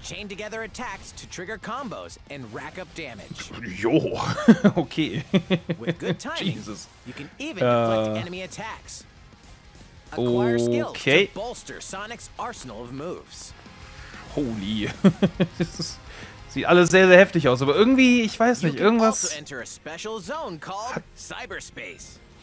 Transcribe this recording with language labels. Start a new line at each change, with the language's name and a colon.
English: Chain together attacks to trigger combos and rack up damage. Jo, okay. With good timing, Jesus. You can even deflect enemy attacks. Okay. Acquire skills to bolster Sonic's arsenal of moves. Holy.
German: Das sieht alles sehr, sehr heftig aus, aber irgendwie, ich weiß nicht, irgendwas...
English: You can also enter a special zone called Cyberspace.